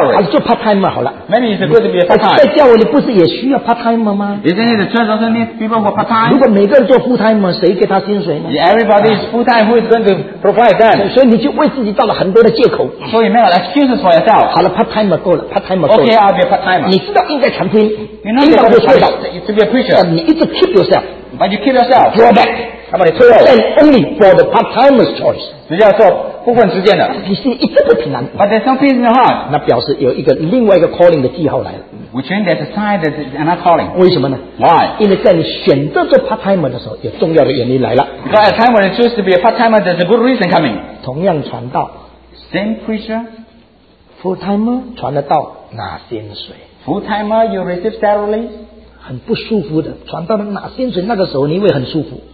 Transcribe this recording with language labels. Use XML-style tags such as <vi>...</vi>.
<zh>做 part time 好了。</zh> <en>Maybe it's good to be a part time.</en> <zh>在教会里不是也需要 part time 吗？</zh> <en>Isn't it the church also needs people for part time?</en> <zh>如果每个人做 full time， 谁给他薪水呢？</zh> <en>Everybody is full time. Who is going to provide that?</en> <zh>所以你就为自己造了很多的借口。</zh> <en>So you make excuses for yourself.</en> <zh>好了 ，part time 够了 ，part time 够了。</zh> <en>Okay, I'll be a part timer.</en> <zh>你知道应该传福音，</zh> <en>you know,</en> <zh>应该做传道，</zh> <en>to be a preacher.</en> <zh>你一直</zh> <en>keep yourself. But you keep yourself. Draw back. And only for the part-timer's choice.</en> <zh>你要做部分时间的，你心里一直不平安。</zh> <en>But there's no peace in your heart.</en> <zh>那表示有一个另外一个 calling 的记号来了。</zh> <en>Which means there's a sign that it's another calling.</en> <zh>为什么呢？</zh> <en>Why?</en> <zh>因为在你选择做 part-timer 的时候，有重要的原因来了。</zh> <en>Because at the time when you choose to be a part-timer, there's a good reason coming.</en> <zh>同样传道，</zh> <en>same preacher,</en> <zh>full-timer 传的道拿薪水。</zh> <en>Full-timer, you receive salary.</en> <zh>很不舒服的传道人拿薪水，那个时候你会很舒服。</zh>